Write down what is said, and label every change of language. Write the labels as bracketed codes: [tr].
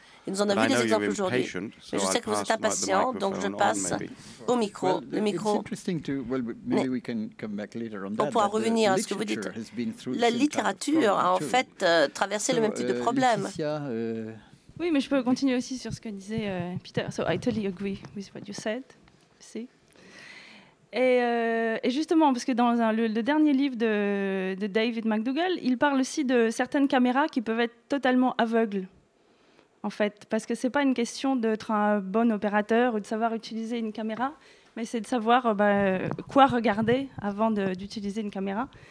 [fr] Et nous en avons vu des exemples aujourd'hui. Mais je sais que vous êtes impatient, donc je passe au micro. Le micro. On pourra revenir à ce que vous dites. La littérature a en fait traversé le même type de problème. Oui, mais je peux continuer aussi sur ce que disait Peter. [en] So I totally agree with what you said. See? [fr] Et justement, parce que dans le dernier livre de David McDougall, il parle aussi de certaines caméras qui peuvent être totalement aveugles. En fait, parce que ce n'est pas une question d'être un bon opérateur ou de savoir utiliser une caméra, mais c'est de savoir quoi regarder avant d'utiliser une caméra.